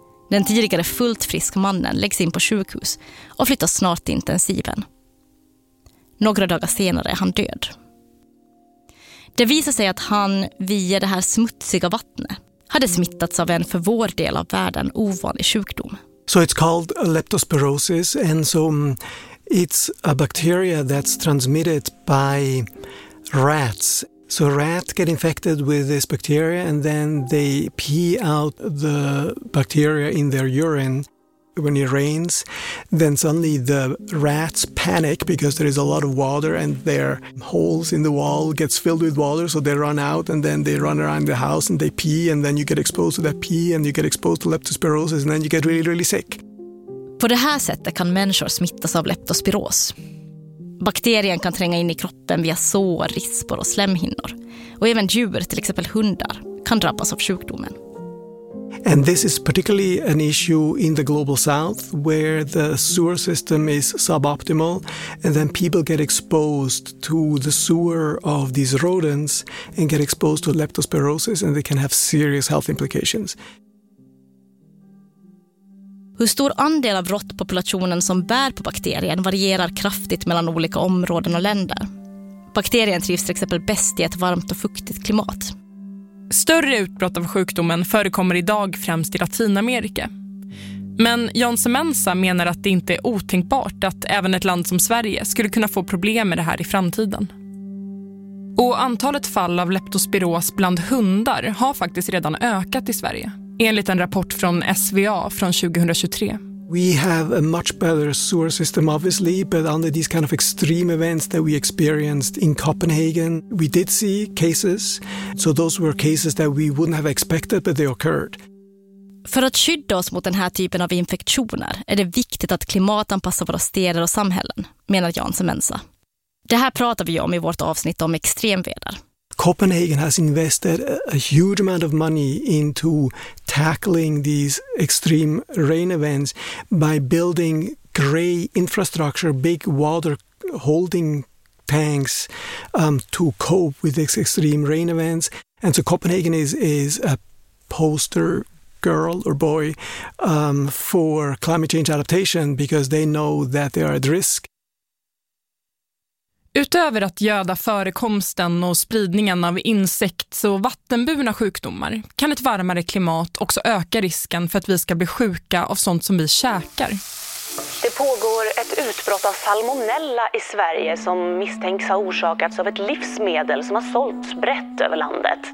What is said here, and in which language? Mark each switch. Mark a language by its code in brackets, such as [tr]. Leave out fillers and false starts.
[sv] Den tidigare fullt frisk mannen läggs in på sjukhus och flyttas snart till intensiven. Några dagar senare är han död. Det visar sig att han via det här smutsiga vattnet hade smittats av en för vår del av världen ovanlig sjukdom. [en] So it's called leptospirosis, and so it's a bacteria that's transmitted by rats. So rats get infected with this bacteria and then they pee out the bacteria in their urine. When it rains, then suddenly the rats panic because there is a lot of water and their holes in the wall gets filled with water, so they run out and then they run around the house and they pee, and then you get exposed to that pee and you get exposed to leptospirosis and then you get really, really sick. [sv] På det här sättet kan människor smittas av leptospiros. Bakterien kan tränga in i kroppen via sår, rispor och slemhinnor. Och även djur, till exempel hundar, kan drabbas av sjukdomen. [en] And this is particularly an issue in the global south where the sewer system is suboptimal, and then people get exposed to the sewer of these rodents and get exposed to leptospirosis, and they can have serious health implications. [sv] Hur stor andel av råttpopulationen som bär på bakterien varierar kraftigt mellan olika områden och länder. Bakterien trivs till exempel bäst i ett varmt och fuktigt klimat. Större utbrott av sjukdomen förekommer idag främst i Latinamerika. Men Jan Semensa menar att det inte är otänkbart att även ett land som Sverige skulle kunna få problem med det här i framtiden. Och antalet fall av leptospiros bland hundar har faktiskt redan ökat i Sverige, enligt en rapport från SVA från 2023. [en] We have a much better sewer system, obviously, but under these kind of extreme events that we experienced in Copenhagen, we did see cases. So those were cases that we wouldn't have expected, but they occurred. [sv] För att skydda oss mot den här typen av infektioner är det viktigt att klimatanpassa våra städer och samhällen, menar Jansson Mensa. Det här pratar vi om i vårt avsnitt om extremväder. [en] Copenhagen has invested a huge amount of money into tackling these extreme rain events by building grey infrastructure, big water holding tanks to cope with these extreme rain events. And so Copenhagen is a poster girl or boy for climate change adaptation because they know that they are at risk. [sv] Utöver att göda förekomsten och spridningen av insekts- och vattenburna sjukdomar kan ett varmare klimat också öka risken för att vi ska bli sjuka av sånt som vi käkar. Det pågår ett utbrott av salmonella i Sverige som misstänks ha orsakats av ett livsmedel som har sålts brett över landet.